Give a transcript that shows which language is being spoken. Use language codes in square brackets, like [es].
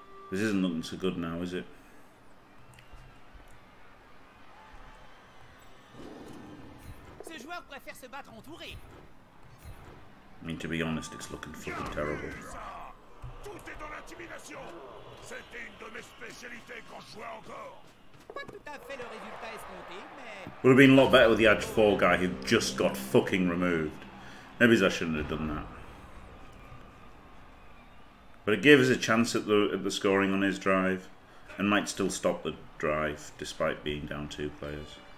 [en] This isn't looking so good now, is it? [fr] Ce joueur préfère se battre entouré. [en] I mean, to be honest, it's looking fucking terrible. [fr] Tout est dans l'intimidation. C'était une de mes spécialités quand je jouais encore. Pas tout à fait le résultat escompté, mais... [en] Would have been a lot better with the Edge 4 guy who just got fucking removed. Maybe I shouldn't have done that. But it gave us a chance at the scoring on his drive, and might still stop the drive despite being down two players.